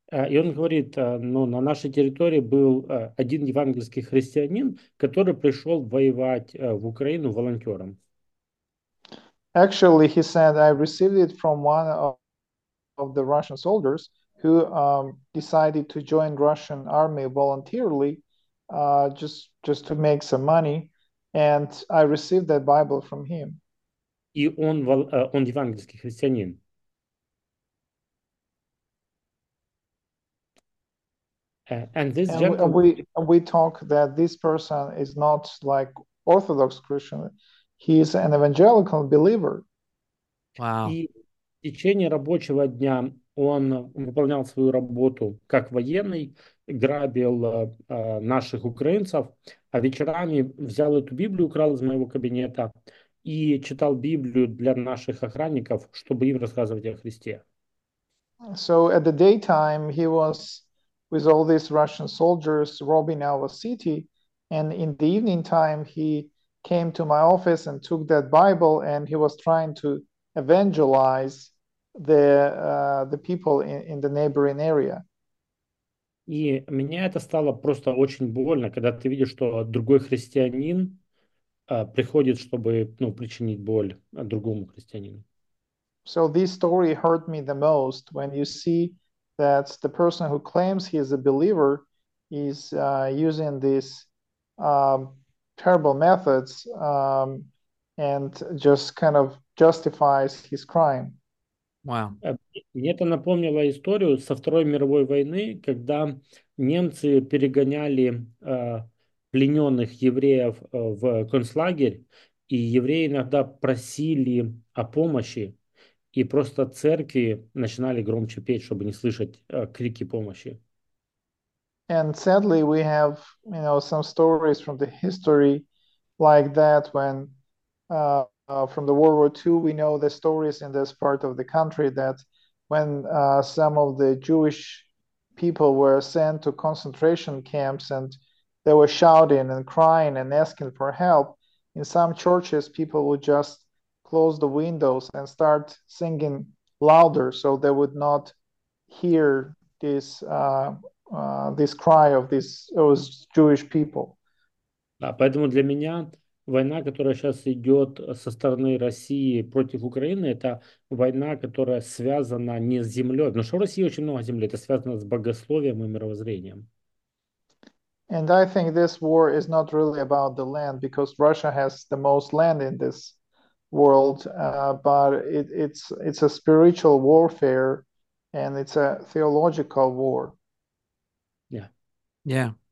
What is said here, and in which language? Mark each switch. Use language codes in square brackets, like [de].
[uk] І він говорить, ну, на нашій території був один євангельський християнин, який прийшов воювати в Україну волонтером. [en] Actually, he said, I received it from one of the Russian soldiers who decided to join Russian army voluntarily just to make some money, and I received that Bible from him. [uk] І він євангельський християнин. [en] And this And gentleman. we talk that this person is not like Orthodox Christian. He is an evangelical believer. Wow. [ru] И в течение рабочего дня он выполнял свою работу как военный, грабил наших украинцев, а вечерами взял эту Библию, украл из моего кабинета и читал Библию для наших охранников, чтобы им рассказывать о Христе. [en] So at the daytime, he was with all these Russian soldiers robbing our city, and in the evening time, he came to my office and took that Bible, and he was trying to evangelize the people in the neighboring area. [ru] И мне это стало просто очень больно, когда ты видишь, что другой христианин приходит, чтобы, ну, причинить боль другому христианину. [en] So this story hurt me the most when you see that the person who claims he is a believer is using this terrible methods, and just kind of justifies his crime. Wow. [ru] Мне это напомнило историю со Второй мировой войны, когда немцы перегоняли плененных евреев в концлагерь, и евреи иногда просили о помощи, и просто церкви начинали громче петь, чтобы не слышать крики помощи. [en] And sadly, we have, some stories from the history like that when from the World War II, we know the stories in this part of the country that when some of the Jewish people were sent to concentration camps and they were shouting and crying and asking for help, in some churches, people would just close the windows and start singing louder so they would not hear this cry of those Jewish people. [ru] Да, поэтому для меня война, которая сейчас идет со стороны России против Украины, это война, которая связана не с землей. Потому что в России очень много земли, это связано с богословием и мировоззрением. [en] And I think this war is not really about the land because Russia has the most land in this world, but it's a spiritual warfare and it's a theological war. Yeah.